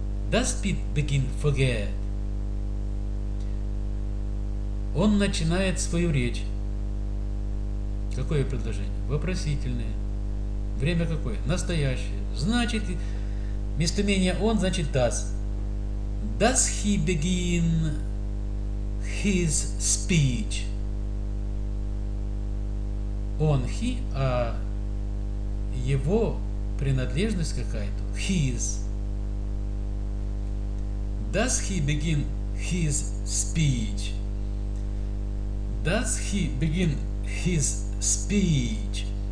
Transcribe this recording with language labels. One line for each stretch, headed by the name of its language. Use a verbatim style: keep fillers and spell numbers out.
English: Does Pete begin forget?
Russian: Он начинает свою речь. Какое предложение? Вопросительное. Время какое? Настоящее. Значит, местоимение он, значит does.
English: Does he begin his speech?
Russian: Он, he, а его принадлежность какая-то.
English: His. Does he begin his speech? Does he begin his speech?